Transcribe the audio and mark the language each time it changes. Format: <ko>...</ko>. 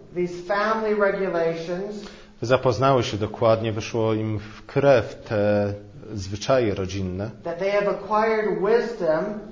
<en>These family regulations.</en> <pl>Zapoznały się dokładnie, wyszło im w krew te zwyczaje rodzinne.</pl> <en>That they have acquired wisdom.</en>